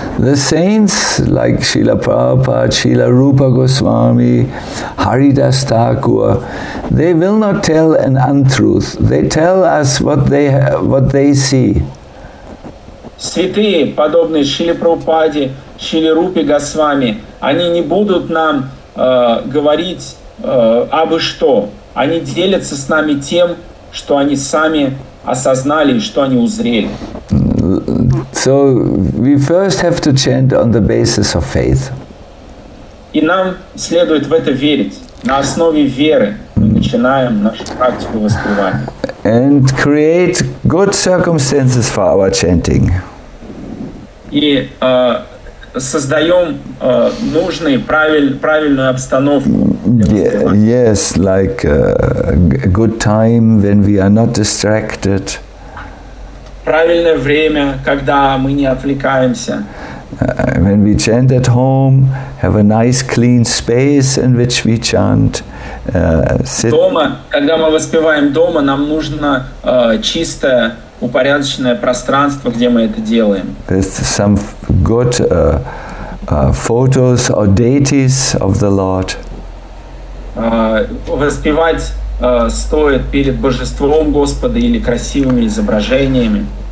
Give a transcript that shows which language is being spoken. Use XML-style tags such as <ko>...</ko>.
<en>The saints, like Srila Prabhupada, Srila Rupa Goswami, Haridas Thakur, they will not tell an untruth. They tell us what they see.</en> <ru>Святые, подобные Шиле Прабхупаде, Шиле Рупе Госвами, они не будут нам говорить абы что. Они делятся с нами тем, что они сами осознали и что они узрели.</ru> <en>So we first have to chant on the basis of faith.</en> <ru>И нам следует в это верить. На основе веры мы начинаем нашу практику воспевания.</ru> <en>And create good circumstances for our chanting.</en> <ru>И создаем нужную, правильную обстановку.</ru> <en>Yes, like a good time when we are not distracted.</en> <ru>Правильное время, когда мы не отвлекаемся.</ru> <en>When we chant at home, have a nice clean space in which we chant.</en> <ru>Дома, когда мы воспеваем дома, нам нужно чистое, упорядоченное пространство, где мы это делаем.</ru> <en>There's some good photos or deities of the Lord.</en> <ru>Воспевать стоит перед божеством Господа или красивыми изображениями.</ru>